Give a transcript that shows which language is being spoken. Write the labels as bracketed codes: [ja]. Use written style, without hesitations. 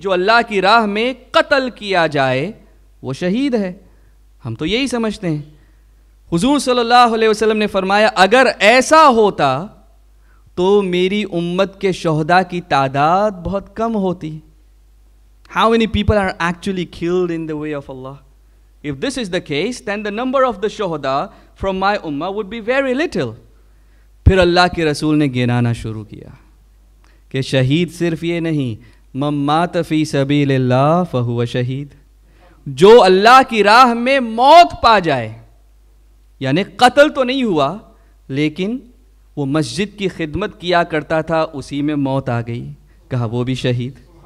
[ur] جو اللہ کی راہ میں قتل کیا جائے وہ شہید ہے ہم تو یہی سمجھتے ہیں حضور صلی اللہ علیہ وسلم نے فرمایا اگر ایسا ہوتا تو میری امت کے شہداء کی تعداد بہت کم ہوتی [en] How many people are actually killed in the way of Allah? If this is the case, then the number of the shuhada from my ummah would be very little. [ur] پھر اللہ کے رسول نے گنانا شروع کیا کہ شہید صرف یہ نہیں [ar] من مات فی سبیل اللہ فہو شہید [ur] جو اللہ کی راہ میں موت پا جائے یعنی قتل تو نہیں ہوا لیکن وہ مسجد کی خدمت کیا کرتا تھا اسی میں موت آ گئی کہا وہ بھی شہید